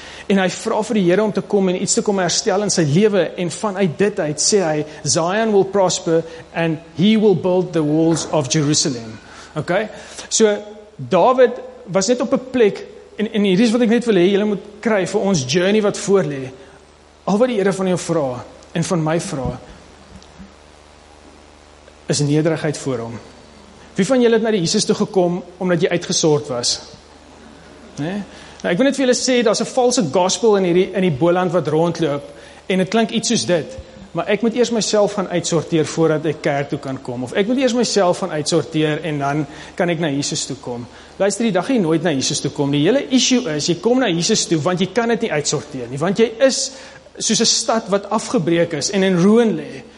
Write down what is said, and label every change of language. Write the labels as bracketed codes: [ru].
[af] En hy vra vir die Here om te kom, en iets te kom herstel in sy leven, en vanuit dit uit, sê hy, [en] Zion will prosper, and he will build the walls of Jerusalem. [af] Ok, so David was net op 'n plek, en hier is wat ek net wil hê, julle moet kry vir ons journey wat voorlê. Al wat die Here van jou vra, en van my vra, is nederigheid voor hom. Wie van julle het na die Jesus toe gekom, omdat jy uitgesort was? Nee? Nou, ek wil net vir julle sê, daar is 'n valse gospel in die Boland wat rondloop, en het klink iets soos dit. Maar ek moet eers myself gaan uitsorteer voordat ek kerk toe kan kom. Of ek moet eers myself gaan uitsorteer en dan kan ek na Jesus toe kom. Luister, die dag jy nooit na Jesus toe kom. Die hele issue is, jy kom na Jesus toe, want jy kan dit nie uitsorteer nie. Want jy is soos 'n stad wat afgebreek is en in ruïne lê.